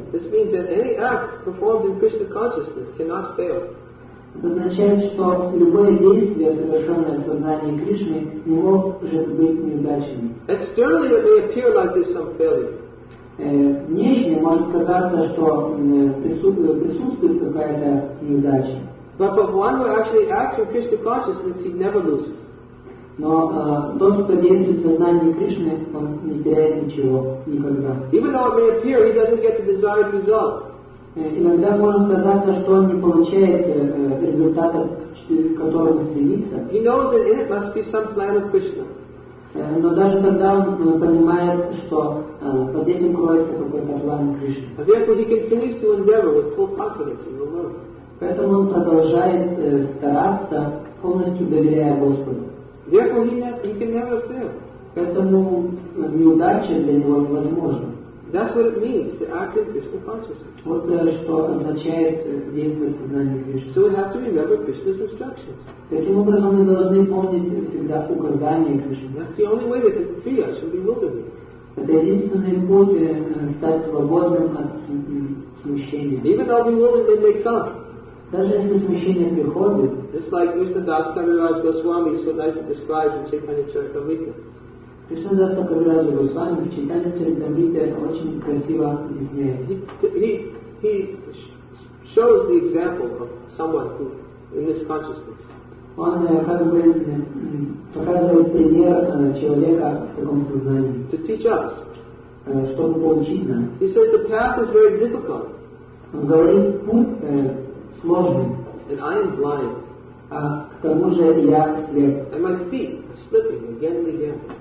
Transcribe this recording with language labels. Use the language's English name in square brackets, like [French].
[English] This means that any act performed in Krishna consciousness cannot fail. [Russian] Это означает, что любое действие, совершенное в сознании Кришны, не может быть неудачным. [English] Externally, it may appear like there's some failure. [Russian] Внешне может казаться, что присутствует какая-то неудача. [English] But if one who actually acts in Krishna consciousness, he never loses. [Russian] Но тот, кто действует в сознании Кришны, он не теряет ничего никогда. [English] Even though it may appear, he doesn't get the desired result. [Russian] Иногда может казаться, что он не получает результата, через который стремится. [English] He knows that in it must be some plan of Krishna. [Russian] Но даже тогда он понимает, что под этим кроется какой-то план Кришны. [English] He continues to endeavor with full confidence in the Lord. [Russian] Поэтому он продолжает стараться, полностью доверяя Господу. [English] Therefore he can never fail. [Russian] Поэтому неудача для него невозможна. [English] That's what it means to act in Krishna consciousness. [Russian] Вот что означает действовать в сознании Кришны. [English] So we have to remember Krishna's instructions. [Russian] Таким образом, мы должны помнить всегда указания Кришны. [English] That's the only way that can free us from bewilderment. [Russian] Это единственный путь стать свободным от смущения. [English] Even though bewilderment may come. [Russian] Даже если смущение приходит. [English] Just like Krishna Das Kaviraj Goswami so nicely described in Chaitanya Charitamrita. [Russian] Кришна Дас Кавираджа Госвами в Чайтанья Чаритамрите очень красиво объясняет. [English] He shows the example of someone who in this consciousness. [Russian] Он как бы показывает пример человека в таком сознании. [English] To teach us. [Russian] Чтобы поучить нас. [English] He says the path is very difficult. [Russian] Он говорит, путь сложный. [English] And I am blind. [Russian] А к тому же я слеп. [English] And my feet are slipping again and again.